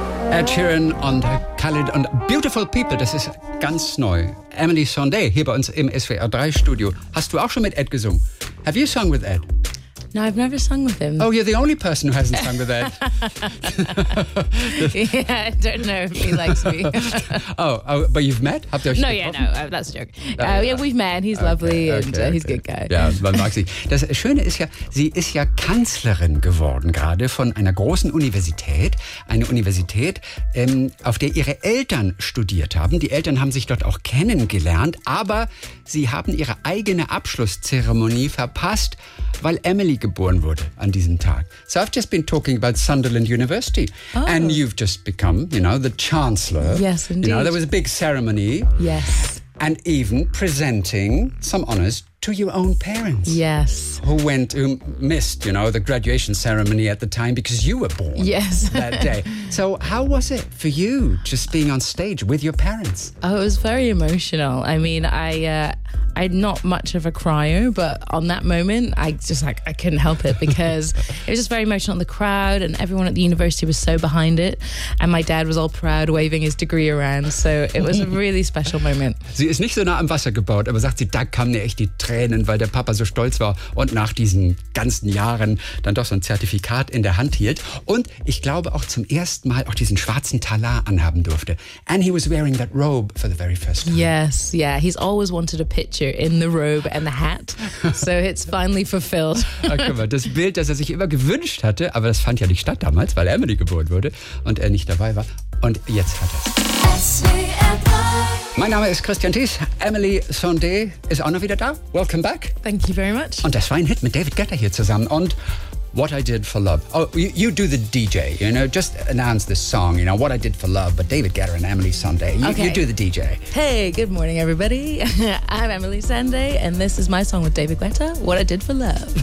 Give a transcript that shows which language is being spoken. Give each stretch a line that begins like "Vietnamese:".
German: Ed Sheeran und Khalid und Beautiful People, das ist ganz neu. Emily Sondé hier bei uns im SWR3-Studio. Hast du auch schon mit Ed gesungen?
English: Have you sung with Ed? No, I've never sung with him. Oh, you're the only person who hasn't sung with Ed. Yeah, I don't know if he likes me. oh, but you've met?
German: Habt ihr euch getroffen?
English: No, that's a joke. Yeah, we've met, he's lovely he's a good guy.
German: Ja, man mag sie. Das Schöne ist ja, sie ist ja Kanzlerin geworden gerade von einer großen Universität. Eine Universität, auf der ihre Eltern studiert haben. Die Eltern haben sich dort auch kennengelernt, aber sie haben ihre eigene Abschlusszeremonie verpasst, weil Emily geboren wurde an diesem Tag.
English: So I've just been talking about Sunderland University. Oh. And you've just become, the Chancellor. Yes, indeed. You know, there was a big ceremony. Yes. And even presenting some honours to your own parents. Yes. Who missed, the graduation ceremony at the time because you were born. Yes. That day. So how was it for you just being on stage with your parents? Oh, it was very emotional. I mean, I'm not much of a crier, but on that moment, I couldn't help it because it was just very emotional. The crowd and everyone at the university was so behind it. And my dad was all proud, waving his degree around. So it was a really special moment.
German: Sie ist nicht so nah am Wasser gebaut, aber sagt sie, da kamen ihr echt die Tränen, weil der Papa so stolz war und nach diesen ganzen Jahren dann doch so ein Zertifikat in der Hand hielt. Und ich glaube auch zum ersten Mal auch diesen schwarzen Talar anhaben durfte.
English: And he was wearing that robe for the very first time. Yes, yeah. He's always wanted a picture. In the robe and the hat. So it's finally fulfilled.
German: Ach, guck mal, das Bild, das er sich immer gewünscht hatte, aber das fand ja nicht statt damals, weil Emily geboren wurde und er nicht dabei war. Und jetzt hat er's. Mein Name ist Christian Thies. Emily Sondé ist auch noch wieder da.
English: Welcome back. Thank you very much.
German: Und das war ein Hit mit David Guetta hier zusammen. Und What I Did for Love.
English: Oh, you do the DJ, just announce this song, What I Did for Love, but David Guetta and Emily Sondé. You do the DJ. Hey, good morning, everybody. I'm Emily Sondé, and this is my song with David Guetta, What I Did for Love.